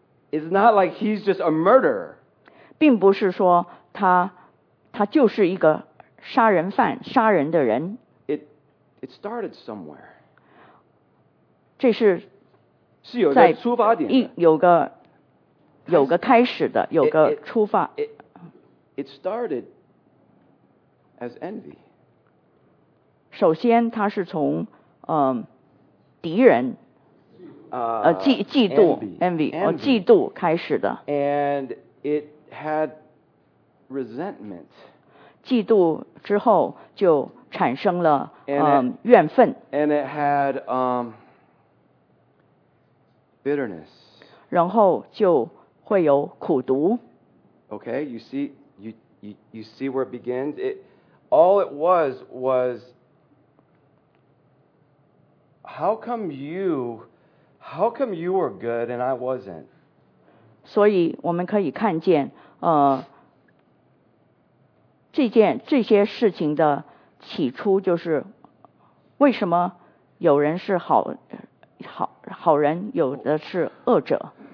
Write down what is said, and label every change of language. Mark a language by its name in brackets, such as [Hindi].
[English] It's not like he's just a murderer. [Chinese] 并不是说他就是一个杀人犯，杀人的人。 [English] It started somewhere. [Chinese] 这是是有一个出发点，有个开始的，有个出发。 [English] It started as envy. [Chinese] 首先，它是从敌人嫉妒 [English] envy [Chinese] 嫉妒开始的。 [English] And it had resentment. [Chinese] 嫉妒之后就产生了怨愤。 [English] And it had bitterness. [Chinese] 然后就会有苦毒。 [English] Okay, you see where it begins? All it was how come you were good and I wasn't? [Chinese] 所以我们可以看见这些事情的起初就是为什么有人是好人有的是恶者。